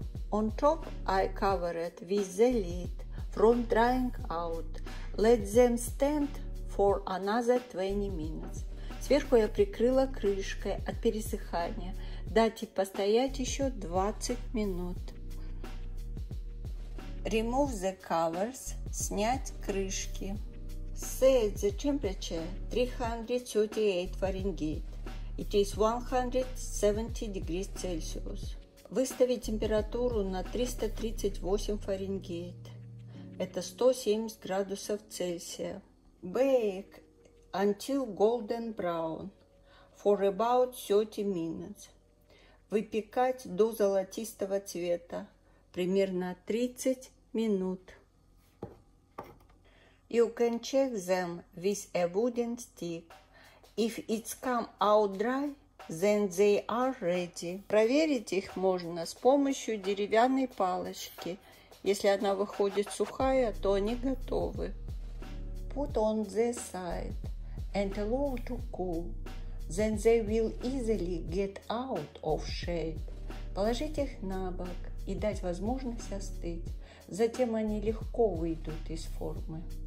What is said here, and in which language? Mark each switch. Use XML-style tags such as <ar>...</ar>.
<en>On top, I cover it with the lid from drying out. Let them stand for another 20 minutes.</en> <ru>Сверху я прикрыла крышкой от пересыхания. Дать их постоять еще 20 минут.</ru> <en>Remove the covers.</en> <ru>Снять крышки.</ru> <en>Set the temperature 338 Fahrenheit. It is 170 degrees Celsius.</en> <ru>Выставить температуру на 338 Фаренгейт. Это 170 градусов Цельсия.</ru> <en>Bake until golden brown for about 30 minutes.</en> <ru>Выпекать до золотистого цвета примерно 30 минут.</ru> <en>You can check them with a wooden stick. If it's come out dry, then they are ready.</en> <ru>Проверить их можно с помощью деревянной палочки. Если она выходит сухая, то они готовы.</ru> <en>Put on the side and allow to cool. Then they will easily get out of shape.</en> <ru>Положить их на бок и дать возможность остыть. Затем они легко выйдут из формы.</ru>